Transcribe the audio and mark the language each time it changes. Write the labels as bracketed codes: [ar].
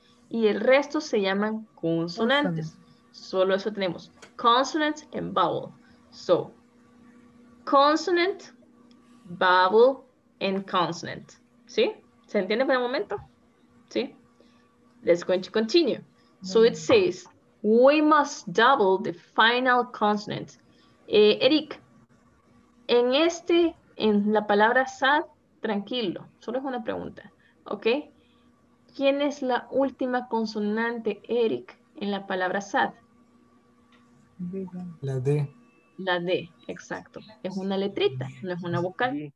[es] Y el resto se llaman consonantes. Solo eso tenemos. [en] Consonants and vowel. So, consonant, vowel, and consonant. [es] ¿Sí? ¿Se entiende por el momento? ¿Sí? [en] Let's go to continue. So it says, we must double the final consonant. [es] Eric, en este, en la palabra sad, tranquilo, solo es una pregunta, ¿ok? ¿Quién es la última consonante, Eric, en la palabra sad? La D. La D, exacto. Es una letrita, no es una vocal.